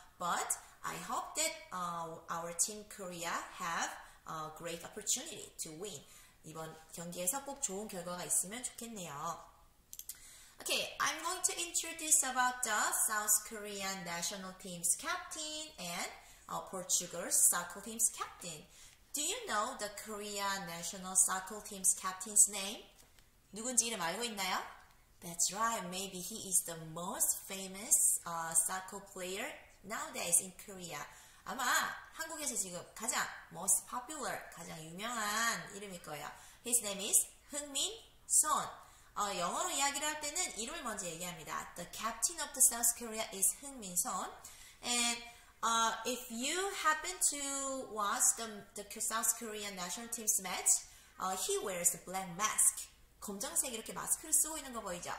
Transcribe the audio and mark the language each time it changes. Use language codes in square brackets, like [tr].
[en] But I hope that our team Korea have a great opportunity to win. [ko] 이번 경기에서 꼭 좋은 결과가 있으면 좋겠네요. [en] Okay, I'm going to introduce about the South Korean national team's captain and Portugal's soccer team's captain. Do you know the Korea national soccer team's captain's name? [ko] 누군지 이름 알고 있나요? [en] That's right. Maybe he is the most famous soccer player nowadays in Korea. [ko] 아마 한국에서 지금 가장 [en] most popular, [ko] 가장 유명한 이름일 거예요. [en] His name is 흥민 Son. [ko] 영어로 이야기를 할 때는 이름을 먼저 얘기합니다. [en] The captain of the South Korea is 흥민 Son. And if you happen to watch the South Korean national team's match, he wears a black mask. [ko] 검정색 이렇게 마스크를 쓰고 있는 거 보이죠?